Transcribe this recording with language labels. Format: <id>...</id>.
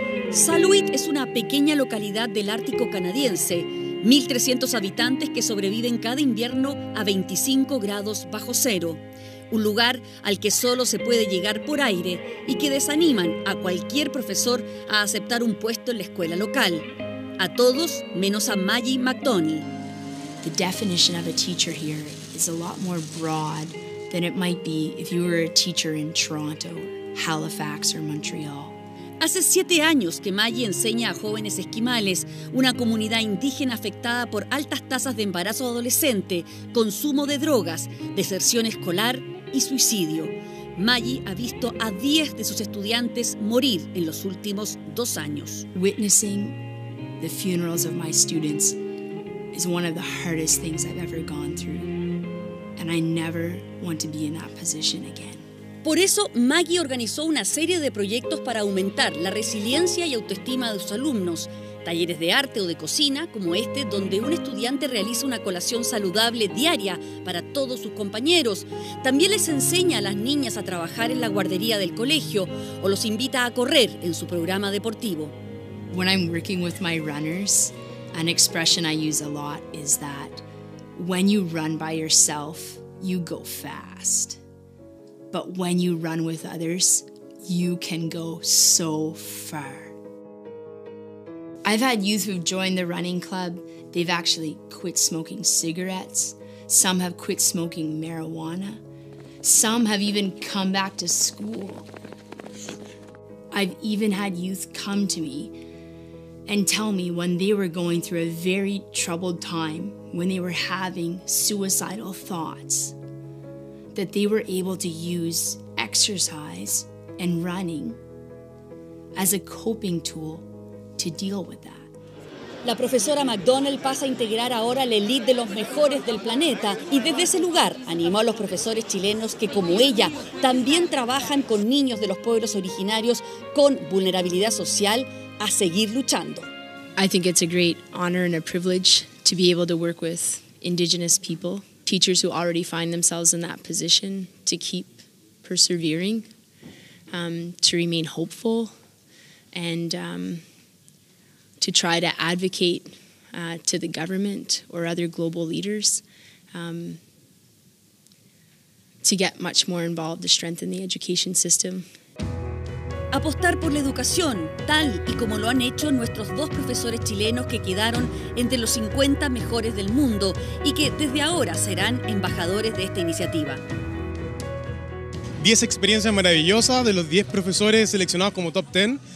<es>Saluit es una pequeña localidad del Ártico canadiense. 1.300 habitantes que sobreviven cada invierno a 25 grados bajo cero. Un lugar al que solo se puede llegar por aire y que desaniman a cualquier profesor a aceptar un puesto en la escuela local. A todos menos a Maggie McDonald.</es> <en>The definition of a teacher here is a lot more broad than it might be if you were a teacher in Toronto, Halifax or Montreal.</en> <es>Hace 7 años que Maggie enseña a jóvenes esquimales, una comunidad indígena afectada por altas tasas de embarazo adolescente, consumo de drogas, deserción escolar y suicidio. Maggie ha visto a 10 de sus estudiantes morir en los últimos 2 años.</es> <en>Witnessing the funerals of my students is one of the hardest things I've ever gone through, and I never want to be in that position again.</en> <es>Por eso, Maggie organizó una serie de proyectos para aumentar la resiliencia y autoestima de sus alumnos. Talleres de arte o de cocina, como este, donde un estudiante realiza una colación saludable diaria para todos sus compañeros. También les enseña a las niñas a trabajar en la guardería del colegio o los invita a correr en su programa deportivo.</es> <en>When I'm working with my runners, an expression I use a lot is that when you run by yourself, you go fast. But when you run with others, you can go so far. I've had youth who've joined the running club. They've actually quit smoking cigarettes. Some have quit smoking marijuana. Some have even come back to school. I've even had youth come to me and tell me when they were going through a very troubled time, when they were having suicidal thoughts, that they were able to use exercise and running as a coping tool to deal with that.</en> <es>La profesora McDonald pasa a integrar ahora la elite de los mejores del planeta y desde ese lugar animó a los profesores chilenos que, como ella, también trabajan con niños de los pueblos originarios con vulnerabilidad social a seguir luchando.</es> <en>I think it's a great honor and a privilege to be able to work with indigenous people, teachers who already find themselves in that position, to keep persevering, to remain hopeful, and to try to advocate to the government or other global leaders to get much more involved to strengthen the education system.</en> <es>Apostar por la educación, tal y como lo han hecho nuestros dos profesores chilenos que quedaron entre los 50 mejores del mundo y que desde ahora serán embajadores de esta iniciativa. 10 experiencias maravillosas de los 10 profesores seleccionados como top 10.</es>